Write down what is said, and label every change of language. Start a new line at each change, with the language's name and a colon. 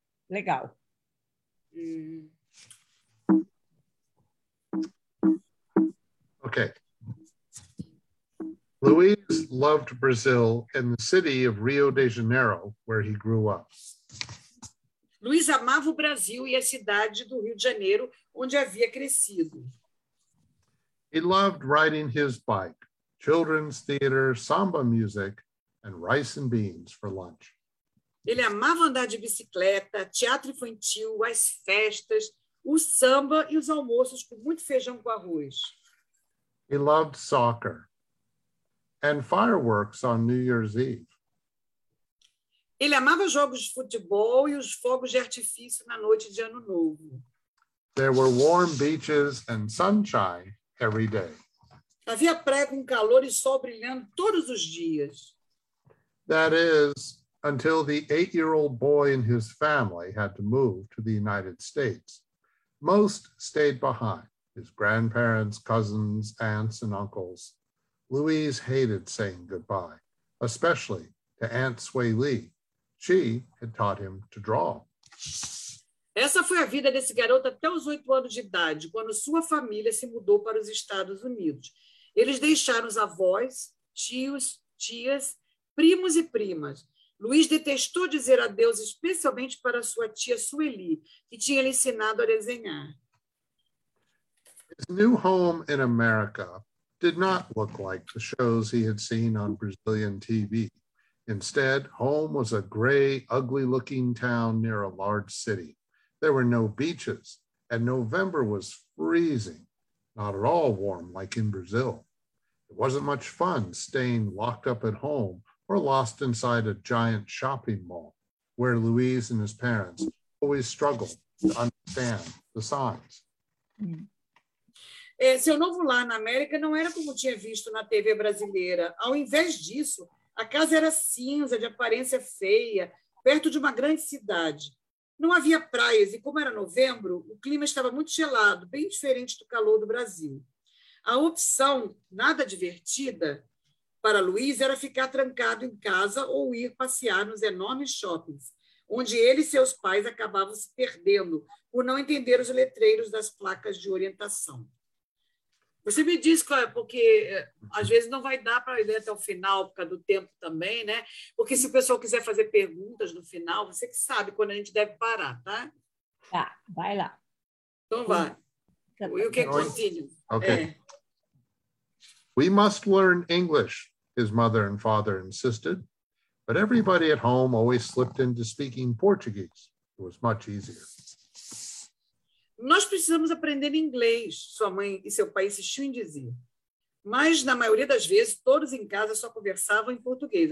Portuguese: Legal.
English: Okay. Luiz loved Brazil and the city of Rio de Janeiro, where he grew up.
Portuguese: Luiz amava o Brasil e a cidade do Rio de Janeiro, onde havia crescido.
English: He loved riding his bike, children's theater, samba music, and rice and beans for lunch.
Portuguese: Ele amava andar de bicicleta, teatro infantil, as festas, o samba e os almoços com muito feijão com arroz.
English: He loved soccer. and fireworks on New Year's Eve.
Portuguese: Ele amava jogos de futebol e os fogos de artifício na noite de Ano Novo.
English: There were warm beaches and sunshine every day.
Portuguese: Havia praia com calor e sol brilhando todos os dias.
English: That is, until the 8-year-old boy and his family had to move to the United States. Most stayed behind, his grandparents, cousins, aunts, and uncles. Louise hated saying goodbye, especially to Aunt Sui Lee. She had taught him to draw.
Portuguese: Essa foi a vida desse garoto até os 8 anos de idade, quando sua família se mudou para os Estados Unidos. Eles deixaram os avós, tios, tias, primos e primas. Luiz detestou dizer adeus, especialmente para sua tia Sueli, que tinha lhe ensinado a desenhar.
English: His new home in America did not look like the shows he had seen on Brazilian TV. Instead, home was a gray, ugly-looking town near a large city. There were no beaches, and November was freezing, not at all warm like in Brazil. It wasn't much fun staying locked up at home or lost inside a giant shopping mall, where Luiz and his parents always struggled to understand the signs.
Portuguese: Seu novo lar na América não era como tinha visto na TV brasileira. Ao invés disso, a casa era cinza, de aparência feia, perto de uma grande cidade. Não havia praias e, como era novembro, o clima estava muito gelado, bem diferente do calor do Brasil. A opção, nada divertida, para Luiz era ficar trancado em casa ou ir passear nos enormes shoppings, onde ele e seus pais acabavam se perdendo por não entender os letreiros das placas de orientação. Você me diz, Cláudia, porque às vezes não vai dar para ler até o final, por causa do tempo também, né? Porque se o pessoal quiser fazer perguntas no final, você que sabe quando a gente deve parar, tá? Tá, vai lá. Então vai. O que continua? Ok. É.
English: We must learn English, his mother and father insisted. But everybody at home always slipped into speaking Portuguese. It was much easier.
Portuguese: Nós precisamos aprender inglês, sua mãe e seu pai insistiam em dizer. Mas, na maioria das vezes, todos em casa só conversavam em português.